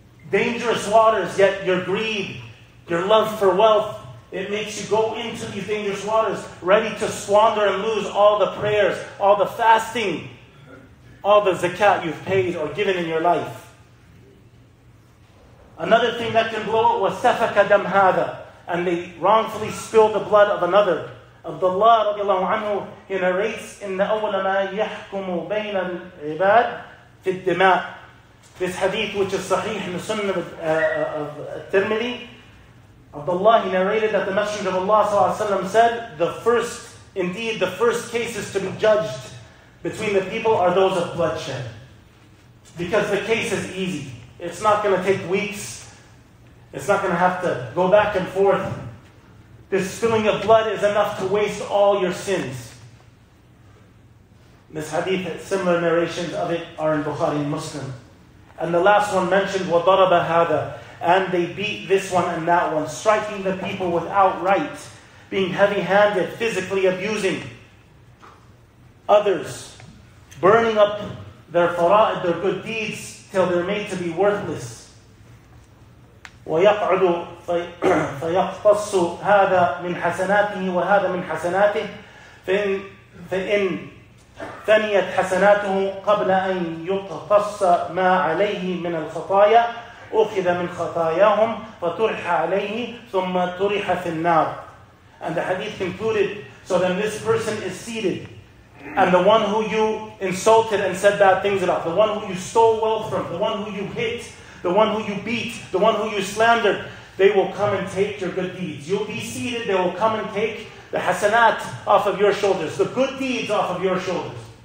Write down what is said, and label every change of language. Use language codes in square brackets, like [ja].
[en] Dangerous waters, yet your greed, your love for wealth, it makes you go into these dangerous waters, ready to squander and lose all the prayers, all the fasting, all the zakat you've paid or given in your life. Another thing that can blow it was [ar] سَفَكَ دَمْ هَذَا, [en] and they wrongfully spill the blood of another. [ar] Abdullah رضي الله عنه, [en] he narrates, [ar] إِنَّ أَوَّلَ مَا يَحْكُمُ بَيْنَ الْعِبَادِ فِي الدِّمَاءِ. [en] This hadith, which is sahih in the Sunnah of Tirmidhi, Abdullah, he narrated that the Messenger of Allah [ar] sallallahu alaihi wasallam [en] said, the first cases to be judged between the people are those of bloodshed. Because the case is easy. It's not going to take weeks. It's not going to have to go back and forth. This spilling of blood is enough to waste all your sins. This hadith, similar narrations of it are in Bukhari and Muslim. And the last one mentioned, [ar] وَضَرَبَ هَذَا, [en] and they beat this one and that one, striking the people without right, being heavy-handed, physically abusing others, burning up their fara'id, their good deeds, till they're made to be worthless. [ar] وَيَقْعُدُ فَيَقْتَصُ هَذَا مِنْ حَسَنَاتِهِ وَهَذَا مِنْ حَسَنَاتِهِ فَإِنْ ثنيت حسناته قبل أن يقتص ما عليه من الخطايا أخذ من خطاياهم فطرح عليه ثم طرح في النار. [en] And the hadith concluded, so then this person is seated, and the one who you insulted and said bad things about, the one who you stole wealth from, the one who you hit, the one who you beat, the one who you slandered, they will come and take your good deeds. You'll be seated, they will come and take the hasanat off of your shoulders, the good deeds off of your shoulders.